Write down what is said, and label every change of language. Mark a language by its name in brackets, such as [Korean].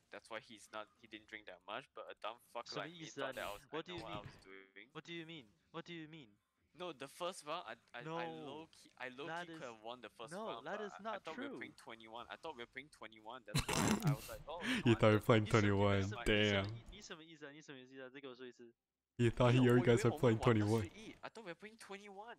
[English] That's why he didn't drink that much. But a dumb fuck so like me thought that I was what, do you mean? What I was doing. What do you mean? What do you mean? No, the first round, I low key could have won the first round. No, that is not true. I thought we were playing 21. That's why I was like, you thought we were playing 21. Damn. [Chinese] 你什么意思啊？你什么意思啊？再给我说一次。 [English] You thought you guys are playing 21. I thought we were playing 21.